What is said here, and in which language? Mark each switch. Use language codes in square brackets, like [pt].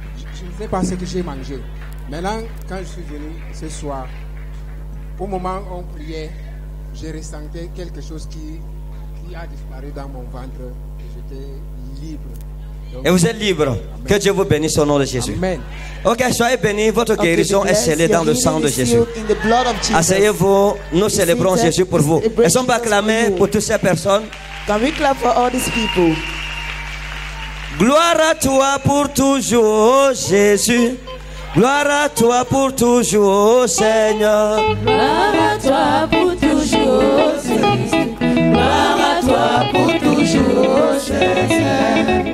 [fr] Je ne sais pas ce que j'ai mangé. Maintenant, quand je suis venu ce soir, au moment où on priait, j'ai ressenti quelque chose qui a disparu dans mon ventre. Et j'étais libre. Donc, et vous êtes libre. Amen. Que Dieu vous bénisse au nom de Jésus. Amen. Ok, soyez bénis. Votre guérison est scellée dans le sang de Jésus. Asseyez-vous. Nous célébrons Jésus pour vous. Et sommes acclamés pour toutes ces personnes. [en] Can we clap for all these people? [fr] Gloire à toi pour toujours, Jésus. Gloire à toi pour toujours, Seigneur. Gloire à toi pour toujours, Jésus. Gloire à toi pour toujours, Seigneur.